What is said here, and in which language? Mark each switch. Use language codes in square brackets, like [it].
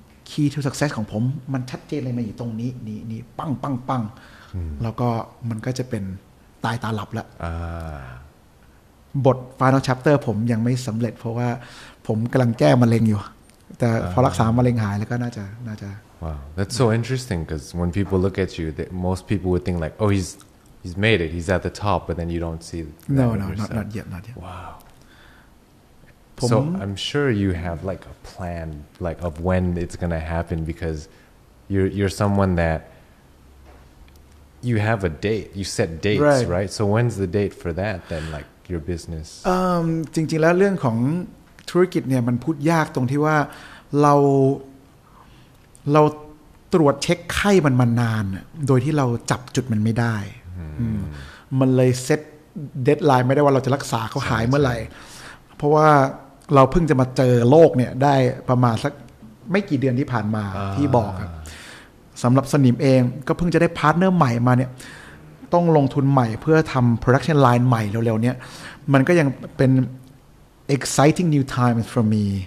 [en] key to success [th] ของผมมันชัดเจนเลยมาอยู่ตรงนี้นี่ปังปังปังแล้วก็มันก็จะเป็นตายตาหลับแล้วบท [en] final chapter [th] ผมยังไม่สำเร็จเพราะว่าผมกำลังแก้มะเร็งอยู่แต่พอรักษามะเร็งหายแล้วก็น่าจะ [en] wow that's so interesting because when people look at you that most people would think like oh he's made it he's at the top but then you don't see no, not yet wowSo I'm sure you have like a plan like of when it's going to happen because you're someone that you have a date you set dates right so when's the date for that then like your business [th] จริงๆแล้วเรื่องของธุรกิจเนี่ยมันพูดยากตรงที่ว่าเราตรวจเช็คไข้มันมานานโดยที่เราจับจุดมันไม่ได้ มันเลยเซตเดดไลน์ไม่ได้ว่าเราจะรักษาเขาหายเมื่อไหร่เพราะว่าเราเพิ่งจะมาเจอโรคเนี่ยได้ประมาณสักไม่กี่เดือนที่ผ่านมาที่บอกสำหรับสนิมเองก็เพิ่งจะได้พาร์ทเนอร์ใหม่มาเนี่ยต้องลงทุนใหม่เพื่อทำโปรดักชันไลน์ใหม่เร็วๆเนี่ยมันก็ยังเป็น [en] exciting new times for me